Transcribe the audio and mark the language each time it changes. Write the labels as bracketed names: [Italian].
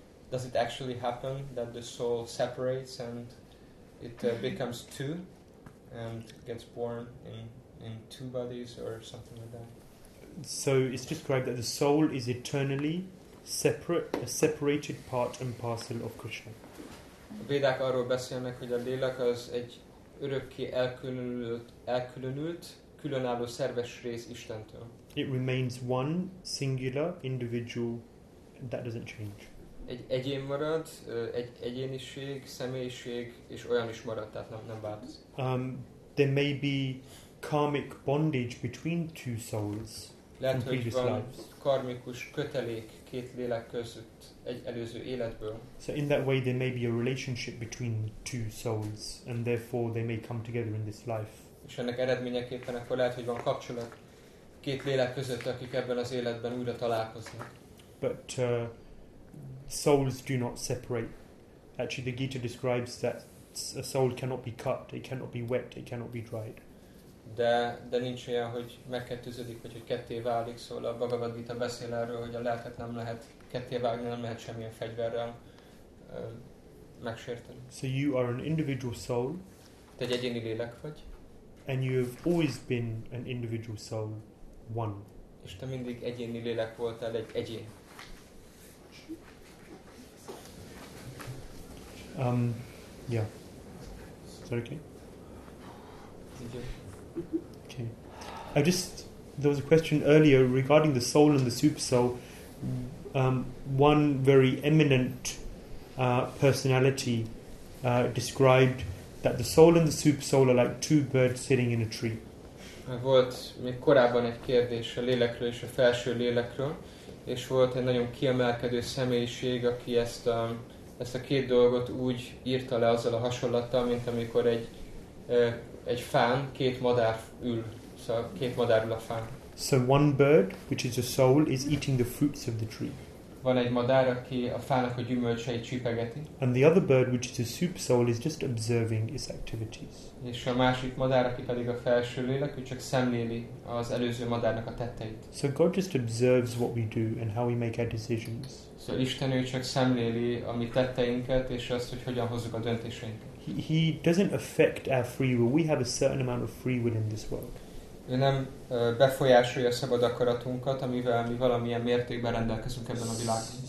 [English] Does it actually happen that the soul separates and it becomes two and gets born in two bodies or something like that? So it's described that the soul is eternally separate, a separated part and parcel of Krishna. [Hungarian] A védák arról beszélnek, hogy a lélek az egy örökké elkülönült, különálló szerves rész Istentől. [English] It remains one singular individual that doesn't change. [Hungarian] Egy egyén marad, egy egyéniség, személyiség, és olyan is marad, tehát nem változik. [English] There may be karmic bondage between two souls. [Hungarian] Lehet, hogy van karmikus kötelék két lélek között egy előző életből. [English] So in that way there may be a relationship between two souls, and therefore they may come together in this life. [Hungarian] És ennek eredményeképpen akkor lehet, hogy van kapcsolat két lélek között, akik ebben az életben újra találkoznak. [English] But souls do not separate. Actually, the Gita describes that a soul cannot be cut, it cannot be wet, it cannot be dried. [Hungarian] De nincs olyan, hogy megkettőződik, vagy hogy ketté válik, szóval a Bhagavad Gita beszél erről, hogy a lelket nem lehet ketté vágni, nem lehet semmilyen fegyverrel megsérteni. [English] So you are an individual soul. [Hungarian] Te egy egyéni lélek vagy. [English] And you have always been an individual soul, one. [Hungarian] És te mindig egyéni lélek voltál, egy egyén. [English] Yeah. Is that okay? Okay. There was a question earlier regarding the soul and the super soul. One very eminent personality described that the soul and the super soul are like two birds sitting in a tree. [Hungarian] Volt még korábban egy kérdés a lélekről és a felső lélekről, és volt egy nagyon kiemelkedő személyiség, aki ezt a két dolgot úgy írta le azzal a hasonlattal, mint amikor egy fán, két madár ül, szóval két madár ül a fán. [English] So one bird, which is a soul, is eating the fruits of the tree. [Hungarian] Van egy madár, aki a fának a gyümölcseit csipegeti. [English] And the other bird, which is a super soul, is just observing its activities. [Hungarian] És a másik madár, aki pedig a felső lélek, ő csak szemléli az előző madárnak a tetteit. [English] So God just observes what we do and how we make our decisions. [Hungarian] So Isten, ő csak szemléli a mi tetteinket és azt, hogy hogyan hozzuk a döntéseinket. [English] He doesn't affect our free will. We have a certain amount of free will in this world. [Hungarian] Ő nem befolyásolja szabad akaratunkat, amivel mi valamilyen mértékben rendelkezünk ebben a világban.